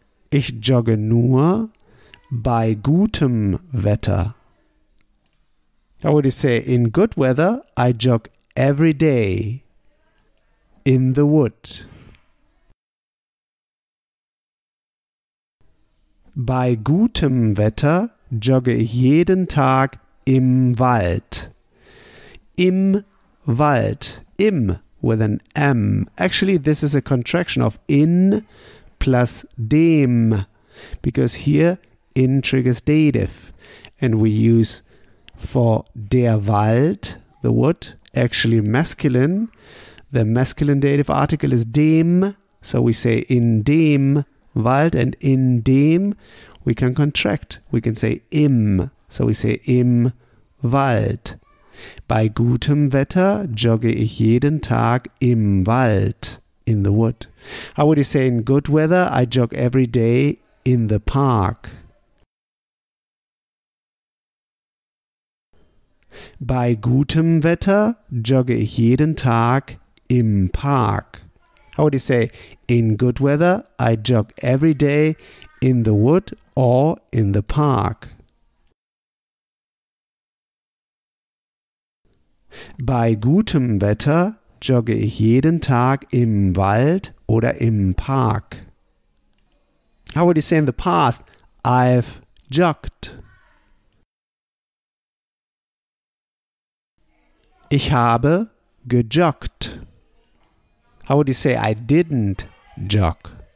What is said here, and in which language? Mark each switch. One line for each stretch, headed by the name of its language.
German: Ich jogge nur bei gutem Wetter.
English: How would you say, in good weather, I jog every day in the wood?
German: Bei gutem Wetter jogge ich jeden Tag im Wald. Im Wald. Im
English: with an M. Actually, this is a contraction of in plus dem, because here in triggers dative, and we use for der Wald, the wood, actually masculine. The masculine dative article is dem, so we say
German: in dem Wald,
English: and in dem we can contract. We can say im, so we say
German: im Wald. Bei gutem Wetter jogge ich jeden Tag im Wald,
English: in the wood. How would you say, in good weather, I jog every day in the park?
German: Bei gutem Wetter jogge ich jeden Tag im Park.
English: How would you say, in good weather, I jog every day in the wood or in the park?
German: Bei gutem Wetter jogge ich jeden Tag im Wald oder im Park.
English: How would you say, in the past, I've jogged?
German: Ich habe gejoggt.
English: How would you say, I didn't jog?